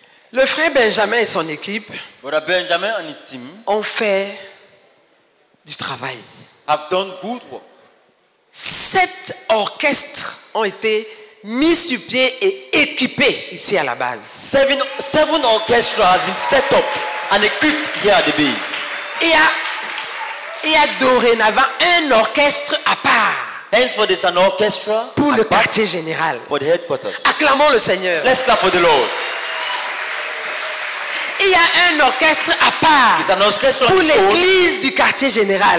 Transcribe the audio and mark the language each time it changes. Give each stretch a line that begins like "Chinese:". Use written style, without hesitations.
French: Le frère Benjamin et son équipe
English: Benjamin and his team
French: ont fait du travail.
English: Have done good work.
French: 7 orchestres ont été mis sur pied et équipés ici à la base.
English: 7 orchestras have been set up and equipped here at the base.
French: Il y a dorénavant un orchestre à part.
English: Henceforth, there's an orchestra
French: pour le quartier général.
English: For the headquarters.
French: Acclamons le Seigneur.
English: Let's clap for the Lord.
French: Il y a un orchestre à part.
English: It's an orchestra
French: pour l'église du quartier général.